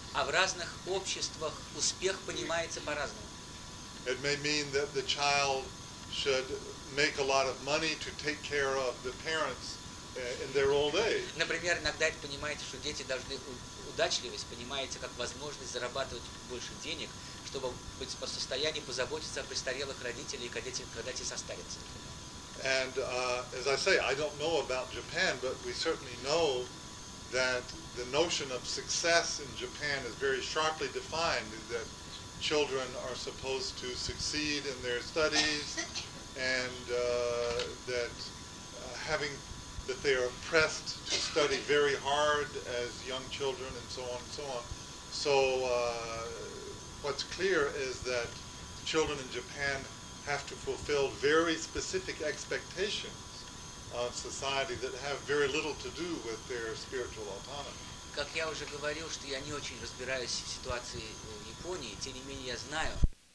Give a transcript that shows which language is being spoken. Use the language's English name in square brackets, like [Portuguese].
[Russian] А в разных обществах успех понимается по-разному. [English] It may mean that the child should make a lot of money to take care of the parents in their old age. [Russian] Например, иногда это понимается, что дети должны удачливость понимается как возможность зарабатывать больше денег, чтобы быть в состоянии позаботиться о престарелых родителях, когда те состарятся. [English] And as I say, I don't know about Japan, but we certainly know that the notion of success in Japan is very sharply defined, that children are supposed to succeed in their studies, and that they are pressed to study very hard as young children, and so on and so on. So what's clear is that children in Japan have to fulfill very specific expectations of society that have very little to do with their spiritual autonomy. [Russian] Как я уже говорил, что я не очень разбираюсь в ситуации в Японии, тем не менее я знаю,